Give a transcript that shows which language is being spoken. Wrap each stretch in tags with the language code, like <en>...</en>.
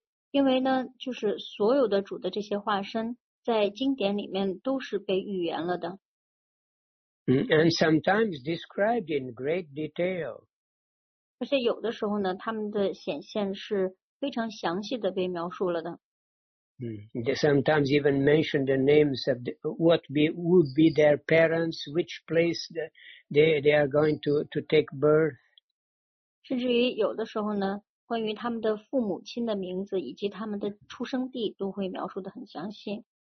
<zh>因为呢，就是所有的主的这些化身在经典里面都是被预言了的。</zh> <en>And sometimes described in great detail.</en> <zh>而且有的时候呢，他们的显现是非常详细的被描述了的。</zh> <en>They sometimes even mention the names of would be their parents, which place they are going to take birth.</en> <zh>甚至于有的时候呢，关于他们的父母亲的名字以及他们的出生地都会描述得很详细。</zh>